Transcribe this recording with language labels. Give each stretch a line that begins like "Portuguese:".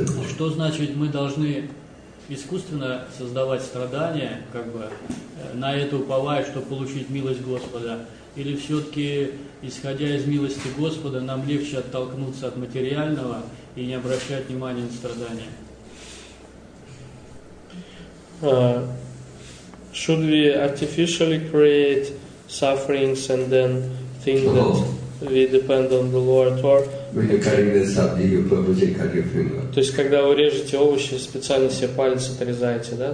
Russian: Что значит, мы должны искусственно создавать страдания, как бы, на это уповая, чтобы получить милость Господа? Или все-таки, исходя из милости Господа, нам легче оттолкнуться от материального и не обращать внимания на страдания?
English: Should we artificially create sufferings and then think that we depend on the Lord? Or when you're cutting this up, do you purposely cut your finger?
Russian: То есть, когда вы режете овощи, специально себе палец отрезаете, да?